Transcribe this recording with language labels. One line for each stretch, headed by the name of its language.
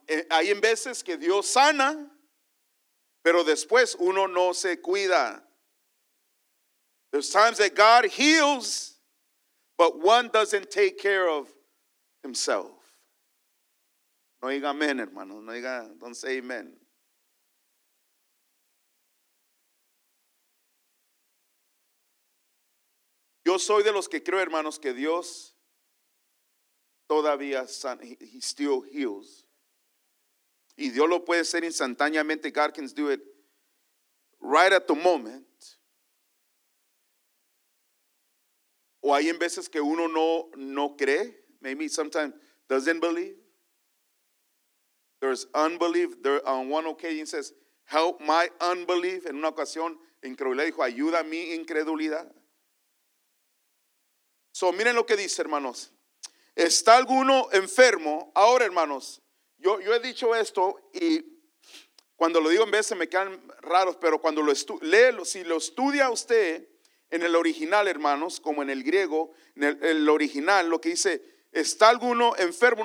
Spanish: Hay en veces que Dios sana, pero después uno no se cuida.
English: There's times that God heals, but one doesn't take care of himself.
Spanish: No diga amén, hermano. No diga,
English: don't say amen.
Spanish: Yo soy de los que creo, hermanos, que Dios todavía sana.
English: He still heals.
Spanish: Y Dios lo puede hacer instantáneamente.
English: God can do it right at the moment.
Spanish: O hay en veces que uno no cree.
English: Maybe sometimes doesn't believe. There's unbelief. There, on one occasion says, help my unbelief.
Spanish: En una ocasión, incredulidad, dijo, ayuda a mi incredulidad. So, miren lo que dice, hermanos. ¿Está alguno enfermo? Ahora, hermanos, yo he dicho esto y cuando lo digo en veces me quedan raros, pero cuando lo si lo estudia usted en el original, hermanos, como en el griego, en el original, lo que dice, ¿está alguno enfermo?